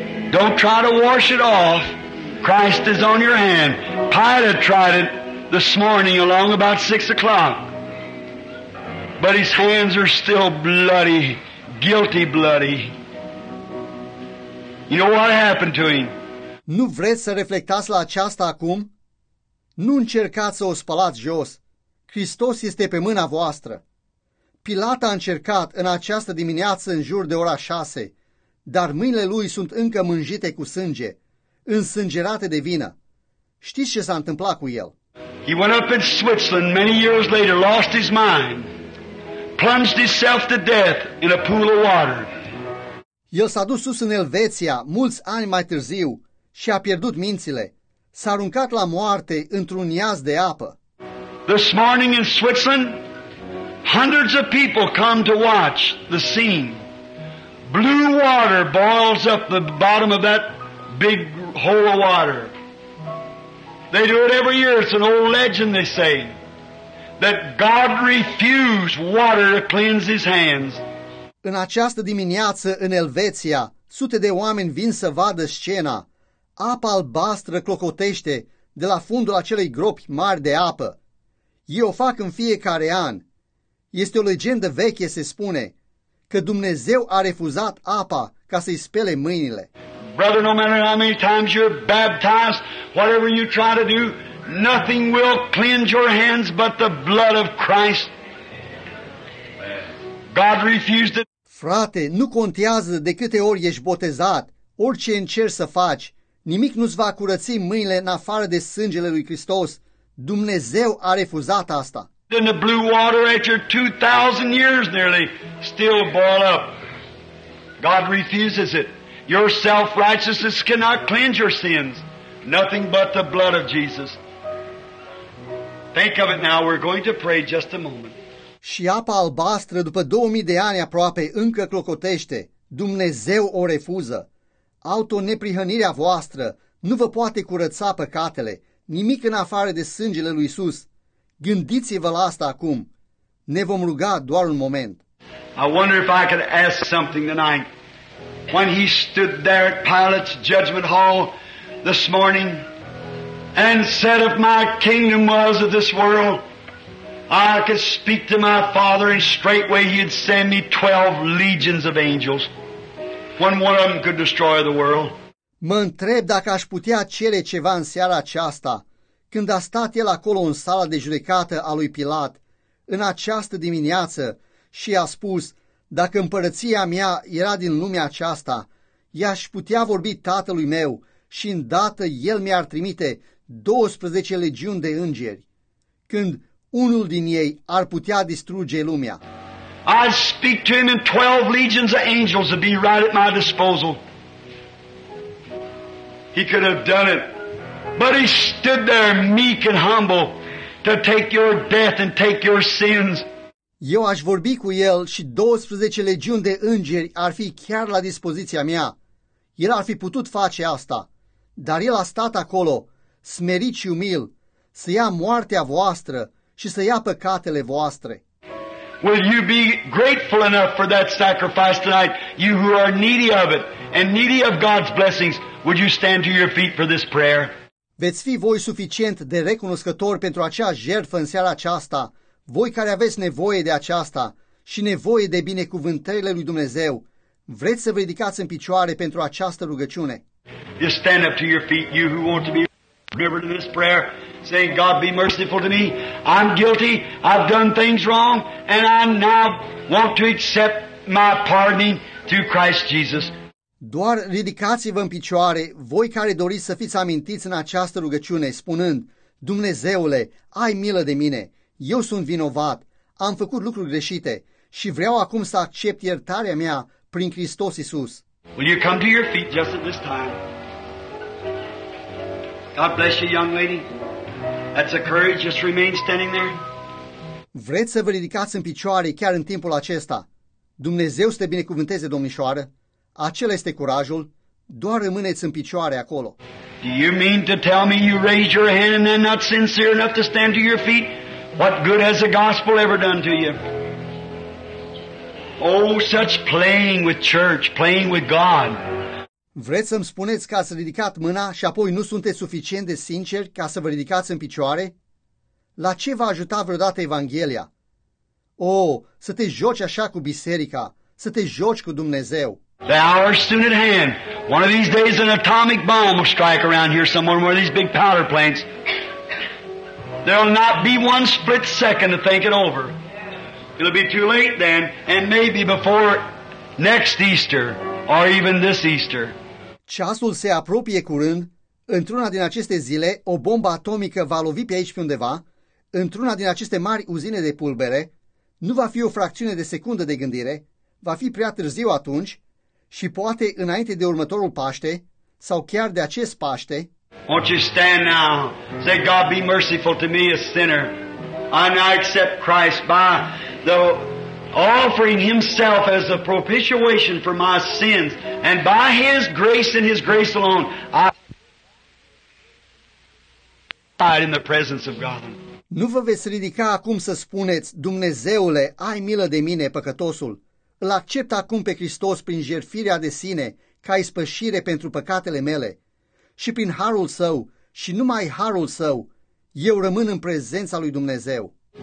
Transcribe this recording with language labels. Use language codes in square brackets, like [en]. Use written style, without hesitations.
[en] Don't try to wash it off. Christ is on your hand. Pilate tried it this morning along about 6 o'clock. But his hands are still bloody, guilty bloody. You know what happened to him? [ro] Nu vreți să reflectați la aceasta acum? Nu încercați să o spălați jos. Hristos este pe mâna voastră. Pilat a încercat în această dimineață în jur de ora 6, dar mâinile lui sunt încă mânjite cu sânge, însângerate de vină. Știți ce s-a întâmplat cu el? [en] He went up in Switzerland many years later, lost his mind, plunged himself to death in a pool of water. [ro] El s-a dus sus în Elveția mulți ani mai târziu și a pierdut mințile. S-a aruncat la moarte într-un iaz de apă. [en] This morning in Switzerland, hundreds of people come to watch the scene. Blue water boils up the bottom of that big hole of water. They do it every year. It's an old legend, they say, that God refused water to cleanse his hands. [ro] În această dimineață, în Elveția, sute de oameni vin să vadă scena. Apa albastră clocotește de la fundul acelei gropi mari de apă. Ei o fac în fiecare an. Este o legendă veche, se spune, că Dumnezeu a refuzat apa ca să-i spele mâinile. [en] Brother, no matter how many times you're baptized, whatever you try to do, nothing will cleanse your hands but the blood of Christ. God refused it. [ro] Frate, nu contează de câte ori ești botezat, orice încerci să faci, nimic nu-ți va curăți mâinile în afară de sângele lui Hristos. Dumnezeu a refuzat asta. [en] In the blue water after 2,000 years nearly still boil up. God refuses it. Your self-righteousness cannot cleanse your sins. Nothing but the blood of Jesus. Think of it now. We're going to pray just a moment. [ro] Și apa albastră după 2000 de ani aproape încă clocotește. Dumnezeu o refuză. Autoneprihănirea voastră nu vă poate curăța păcatele. Nimic în afară de sângele lui Iisus. Gândiți-vă la asta acum. Ne vom ruga doar un moment. [en] I wonder if I could ask something tonight. When he stood there at Pilate's judgment hall this morning and said, if my kingdom was of this world, I could speak to my Father and straightway he'd send me 12 legions of angels. When one of them could destroy the world. [ro] Mă întreb dacă aș putea cere ceva în seara aceasta, când a stat el acolo în sala de judecată a lui Pilat, în această dimineață, și a spus, dacă împărăția mea era din lumea aceasta, i-aș putea vorbi tatălui meu și îndată el mi-ar trimite 12 legiuni de îngeri, când unul din ei ar putea distruge lumea. [en] I'd speak to him in 12 legions of angels to be right at my disposal. He could have done it, but he stood there meek and humble to take your death and take your sins. [ro] Eu aș vorbi cu el și 12 legiuni de îngeri ar fi chiar la dispoziția mea. El ar fi putut face asta, dar el a stat acolo, smerit și umil, să ia moartea voastră și să ia păcatele voastre. [en] Will you be grateful enough for that sacrifice tonight, you who are needy of it and needy of God's blessings? Would you stand to your feet for this prayer? [ro] Veți fi voi suficient de recunoscători pentru acea jertfă în seara aceasta, voi care aveți nevoie de aceasta și nevoie de binecuvântările lui Dumnezeu, vreți să vă ridicați în picioare pentru această rugăciune? [en] Just stand up to your feet, you who want to be delivered in this prayer, saying, God be merciful to me. I'm guilty, I've done things wrong, and I now want to accept my pardoning through Christ Jesus. [ro] Doar ridicați-vă în picioare, voi care doriți să fiți amintiți în această rugăciune, spunând, Dumnezeule, ai milă de mine, eu sunt vinovat, am făcut lucruri greșite și vreau acum să accept iertarea mea prin Hristos Iisus. [en] Will you come to your feet just at this time? God bless you, young lady. That's a courage, just remain standing there. [ro] Vreți să vă ridicați în picioare chiar în timpul acesta? Dumnezeu să te binecuvânteze, domnișoară. Acela este curajul. Doar rămâneți în picioare acolo. [en] Do you mean to tell me you raise your hand and are not sincere enough to stand to your feet? What good has the gospel ever done to you? Oh, such playing with church, playing with God. [ro] Vreți să-mi spuneți că ați ridicat mâna și apoi nu sunteți suficient de sinceri ca să vă ridicați în picioare? La ce v-a ajutat vreodată Evanghelia? Oh, să te joci așa cu biserica, să te joci cu Dumnezeu. [en] The hour is soon at hand. One of these days an atomic bomb will strike around here somewhere, one of these big powder plants. There will not be one split second to think it over. It'll be too late then, and maybe before next Easter, or even this Easter. [ro] Ceasul se apropie curând, într-una din aceste zile, o bombă atomică va lovi pe aici pe undeva, într-una din aceste mari uzine de pulbere, nu va fi o fracțiune de secundă de gândire, va fi prea târziu atunci, și poate înainte de următorul Paște, sau chiar de acest Paște. [en] Won't you stand now? Say, God be merciful to me, a sinner. And I accept Christ by the offering himself as a propitiation for my sins. And by his grace and his grace alone, I died in the presence of God. [ro] Nu vă veți ridica acum să spuneți, Dumnezeule, ai milă de mine, păcătosul. Îl accept acum pe Hristos prin jertfirea de sine, ca ispășire pentru păcatele mele. Și prin harul său, și numai harul său, eu rămân în prezența lui Dumnezeu.